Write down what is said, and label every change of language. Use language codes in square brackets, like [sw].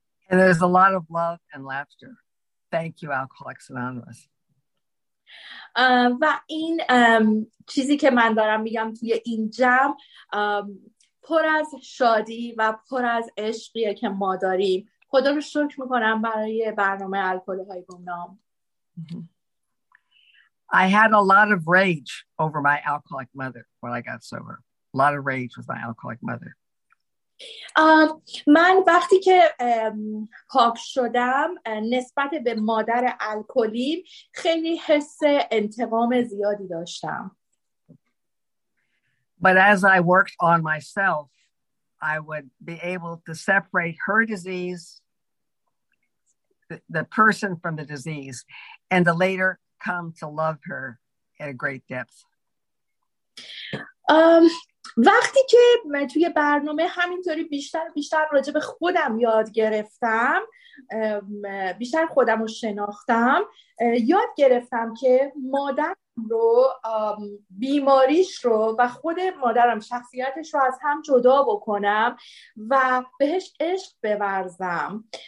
[en] And there's a lot of love and laughter. Thank you, Alcoholics Anonymous. [fa] و این چیزی که من دارم میگم توی این جمع پر از شادی و پر از عشقیه که ما داریم. خدا رو شکر میکنم برای برنامه الکل‌های گمنام. [en] I had a lot of rage over my alcoholic mother when I got sober. A lot of rage with my alcoholic mother. [fa] من وقتی که پاک شدم نسبت به مادر الکلیم خیلی حس انتقام زیادی داشتم. [en] But as I worked on myself, I would be able to separate her disease, the person from the disease, and to later come to love her at a great depth. [fa] وقتی که توی برنامه همینطوری بیشتر بیشتر راجع به خودم یاد گرفتم، بیشتر خودم رو شناختم، یاد گرفتم که مادرم رو، بیماریش رو و خود مادرم، شخصیتش رو از هم جدا بکنم و بهش عشق بورزم.